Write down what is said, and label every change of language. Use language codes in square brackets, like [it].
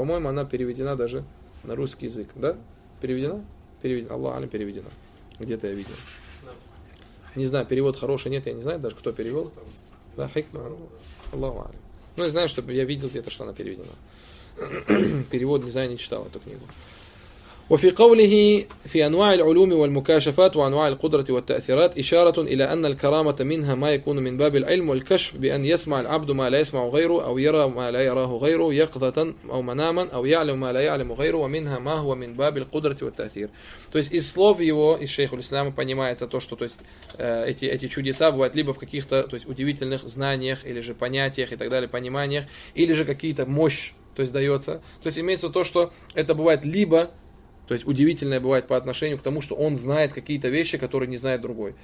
[ru] По-моему, она переведена даже на русский язык, да? Переведена? Переведена. Аллаху аля, переведена. Где-то я видел. Не знаю, перевод хороший, нет, я не знаю даже, кто перевел. Да, хикма. Аллаху алим. Ну, я знаю, что я видел где-то, что она переведена. Перевод, не знаю, не читал эту книгу. [ar] وفي قوله في أنواع العلوم والمكاشفات وأنواع القدرة والتأثيرات إشارة إلى أن الكرامة منها ما يكون من باب العلم والكشف بأن يسمع العبد ما لا يسمع غيره أو يرى ما لا يراه غيره يقظة أو مناما أو يعلم ما لا يعلم غيره ومنها ما هو من باب القدرة والتأثير. [ru] То есть из слов его, из шейха аль-Ислама понимается то, что то есть эти чудеса бывают либо в каких-то то есть удивительных знаниях или же понятиях и так далее, пониманиях, или же какие-то мощь, то есть дается. То есть имеется то, что это бывает либо. То есть удивительное бывает по отношению к тому, что он знает какие-то вещи, которые не знает другой.